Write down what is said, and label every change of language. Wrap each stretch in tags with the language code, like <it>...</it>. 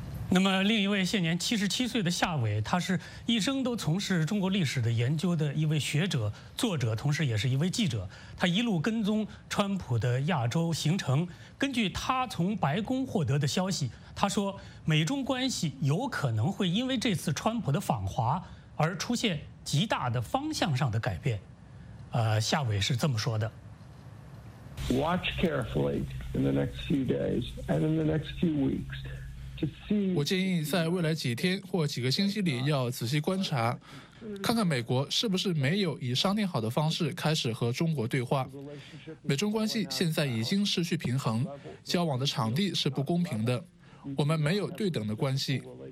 <zh>那么，另一位现年77岁的夏伟，他是一生都从事中国历史的研究的一位学者、作者，同时也是一位记者。他一路跟踪川普的亚洲行程。根据他从白宫获得的消息，他说，美中关系有可能会因为这次川普的访华而出现极大的方向上的改变。夏伟是这么说的。</zh> <en>Watch carefully in the next few days and in the next few weeks.</en> <zh>我建议在未来几天或几个星期里要仔细观察，看看美国是不是没有以商定好的方式开始和中国对话。美中关系现在已经失去平衡，交往的场地是不公平的，我们没有对等的关系。</zh>